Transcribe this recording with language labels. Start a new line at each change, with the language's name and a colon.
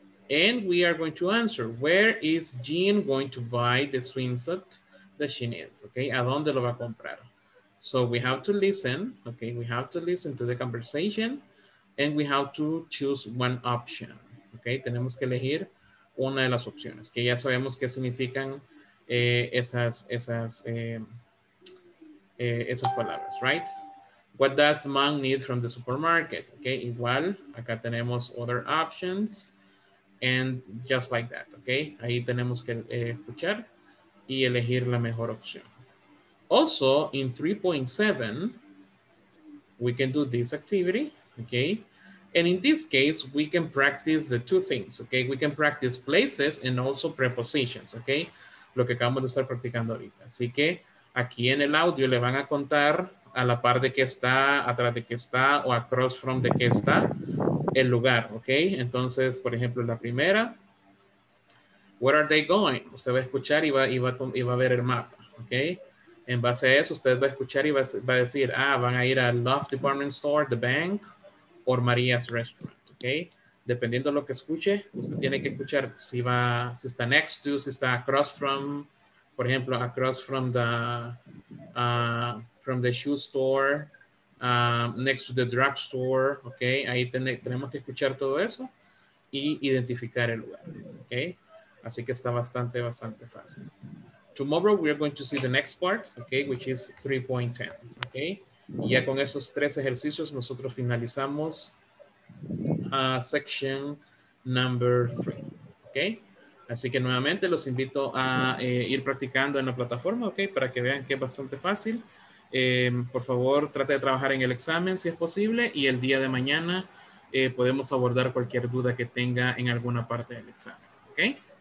English: And we are going to answer, where is Jean going to buy the swimsuit that she needs, ¿ok?
Spanish: ¿A dónde lo va a comprar?
English: So we have to listen,
Spanish: okay?
English: We have to listen to the conversation and we have to choose one option, okay?
Spanish: Tenemos que elegir una de las opciones, que ya sabemos qué significan esas palabras, right?
English: What does mom need from the supermarket? Okay,
Spanish: igual, acá tenemos
English: other options and just like that, okay?
Spanish: Ahí tenemos que escuchar y elegir la mejor opción.
English: Also, in 3.7, we can do this activity, okay? And in this case, we can practice the two things, okay? We can practice places and also prepositions, okay?
Spanish: Lo que acabamos de estar practicando ahorita. Así que aquí en el audio le van a contar a la par de que está, atrás de que está, o across from de que está, el lugar, okay? Entonces, por ejemplo, la primera,
English: where are they going?
Spanish: Usted va a escuchar y va a ver el mapa, okay? En base a eso, usted va a escuchar y va a decir, ah, van a ir al Love Department Store, the bank, or Maria's restaurant, okay? Dependiendo lo que escuche, usted tiene que escuchar si va, si está next to, si está across from, por ejemplo, across from the shoe store, next to the drugstore, okay? Ahí tenemos que escuchar todo eso y identificar el lugar, okay? Así que está bastante, bastante fácil.
English: Tomorrow we are going to see the next part, okay, which is 3.10, okay?
Spanish: Y ya con esos tres ejercicios nosotros finalizamos section number 3, okay? Así que nuevamente los invito a ir practicando en la plataforma, okay, para que vean que es bastante fácil. Por favor, trate de trabajar en el examen si es posible y el día de mañana podemos abordar cualquier duda que tenga en alguna parte del examen, okay?